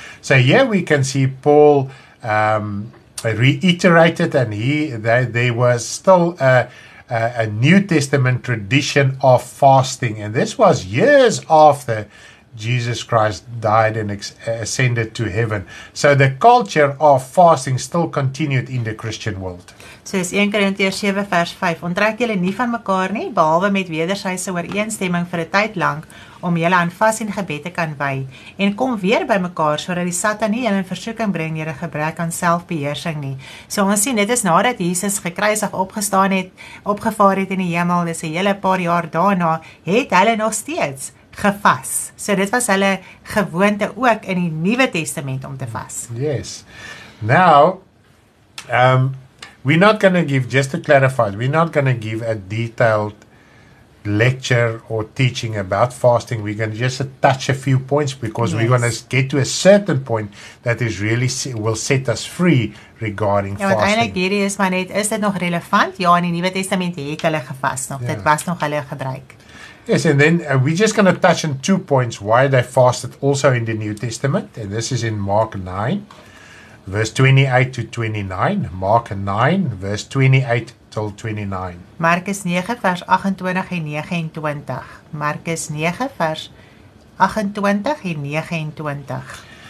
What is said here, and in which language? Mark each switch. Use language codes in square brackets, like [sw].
[en] So here we can see Paul reiterated and he that there was still a New Testament tradition of fasting, and this was years after Jesus Christ died and ascended to heaven. So the culture of fasting still continued in the Christian world. [af] So is 1 Korintiërs 7 vers 5, onttrek julle nie van mekaar nie, behalwe met wedersydse ooreenstemming vir 'n tyd lank, om julle aan vas en gebed te kan wy, en kom weer by mekaar, sodat die Satan nie julle in versoeking bring, deur 'n gebrek aan selfbeheersing nie. So ons sien, dit is nadat Jesus gekruisig opgestaan het, opgevaar het in die hemel, dis 'n hele paar jaar daarna, het hulle nog steeds gevas. So dit was hulle gewoonte ook in die Nuwe Testament om te vas. [en] Yes. Now, we're not going to give, just to clarify, we're not going to give a detailed lecture or teaching about fasting. We're going to just touch a few points because yes. We're going to get to a certain point that is really will set us free regarding [af] fasting. Ja, eintlik hierdie is maar net, is dit nog relevant? Ja, in die Nuwe Testament het hulle gevas nog. Yeah. Dit was nog hulle gebruik. [en] Yes, and then we're just going to touch on two points why they fasted also in the New Testament, and this is in Mark 9. Verse 28 to 29, Mark 9, verse 28 till 29. [af] Markus 9 vers 28 en 29. Markus 9 vers 28 en 29.